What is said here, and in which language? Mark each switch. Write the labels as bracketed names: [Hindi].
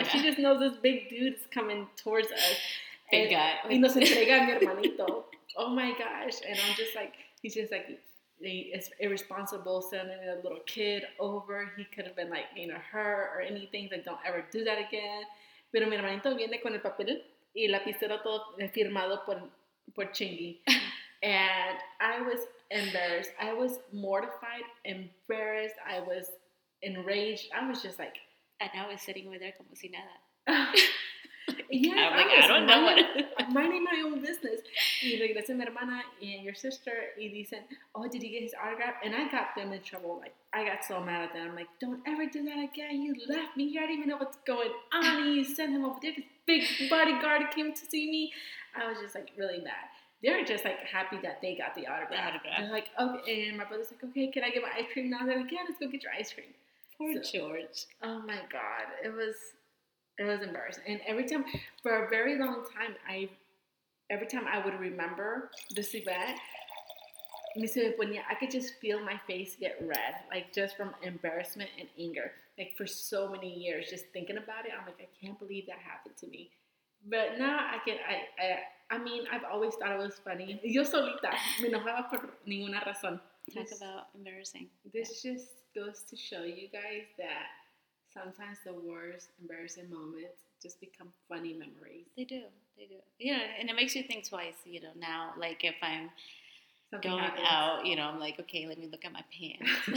[English] Yeah. She just knows this big dude is coming towards us. Thank God. [Spanish] Y nos entrega mi hermanito. [English] Oh, my gosh. And I'm just like, he's just like, it's irresponsible sending a little kid over. He could have been, like, you know, hurt or anything. Like, don't ever do that again. [Spanish] Pero mi hermanito viene con el papel y lapicero todo firmado por Chingy. [English] And I was embarrassed. I was mortified, embarrassed. I was enraged. I was just like. And I was sitting over there [Spanish] como si nada. [English] Yeah, I'm like, I don't know what. Minding my own business. [Spanish] Y regresa mi hermana [English] and your sister, [Spanish] y dicen, [English] oh, did he get his autograph? And I got them in trouble. Like, I got so mad at them. I'm like, don't ever do that again. You left me here. I don't even know what's going on. And you sent him over there. This big bodyguard came to see me. I was just, like, really mad. They're just, like, happy that they got the autograph. They're like, okay. And my brother's like, okay, can I get my ice cream now? They're like, yeah, let's go get your ice cream. Poor George. Oh, my God. It was embarrassing. And every time, for a very long time, every time I would remember this event, I could just feel my face get red, like, just from embarrassment and anger. Like, for so many years, just thinking about it, I'm like, I can't believe that happened to me. But now I can, I mean, I've always thought it was funny. [Spanish] Yo solita, me enojaba por ninguna razón. [English] Talk about embarrassing. This just goes to show you guys that sometimes the worst embarrassing moments just become funny memories. They do. You know, and it makes you think twice, you know, now, like if I'm going out, you know, I'm like, okay, let me look at my pants.